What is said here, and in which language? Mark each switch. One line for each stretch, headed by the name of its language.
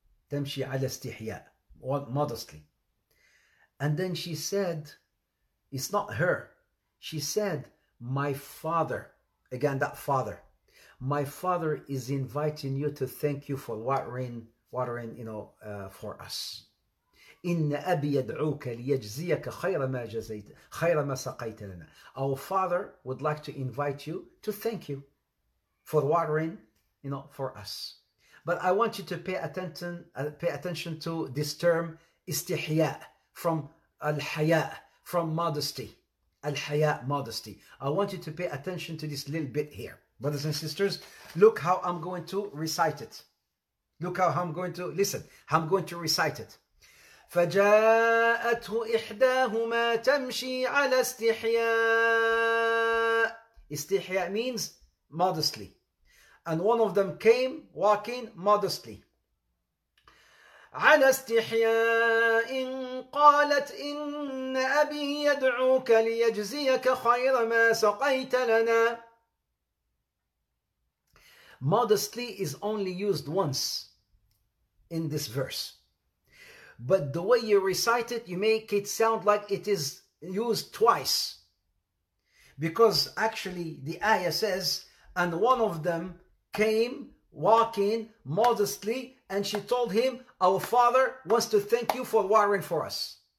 Arabic: تمشي على استحياء. Modestly.
English: And then she said, it's not her. She said, my father. Again, that father. My father is inviting you to thank you for watering for us.
Arabic: إن أبي يدعوك ليجزيك خير ما جزيت خير ما سقيت لنا.
English: Our father would like to invite you to thank you for watering, you know, for us. But I want you to pay attention to this term استحياء, from الحياء, from modesty. الحياء, modesty. I want you to pay attention to this little bit here. Brothers and sisters, look how I'm going to recite it. I'm going to recite it.
Arabic: فجاءته إحداهما تمشي على استحياء.
English: استحياء means modestly. And one of them came walking modestly.
Arabic: على استحياء قالت إن أبي يدعوك ليجزيك خير ما سقيت لنا.
English: Modestly is only used once in this verse. But the way you recite it, you make it sound like it is used twice. Because actually the ayah says, and one of them came walking modestly and she told him, our father wants to thank you for watering for us.